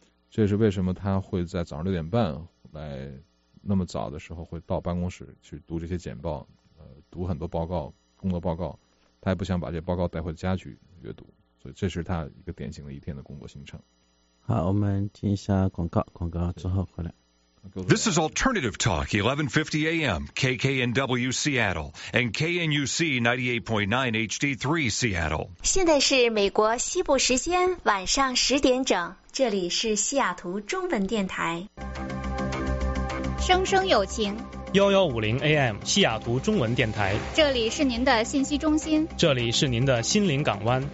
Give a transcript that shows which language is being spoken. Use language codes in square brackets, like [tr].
[zh] 这是为什么他会在早上6:30来那么早的时候会到办公室去读这些简报，读很多报告，工作报告，他也不想把这报告带回家去阅读，所以这是他一个典型的一天的工作行程。好，我们听一下广告，广告之后回来。 [en] This is Alternative Talk, 1150 AM, KKNW Seattle, and KNUC 98.9 HD3 Seattle. [zh] 现在是美国西部时间晚上10:00，这里是西雅图中文电台。声声有情。 1150 AM, 西雅图中文电台。这里是您的信息中心。这里是您的心灵港湾。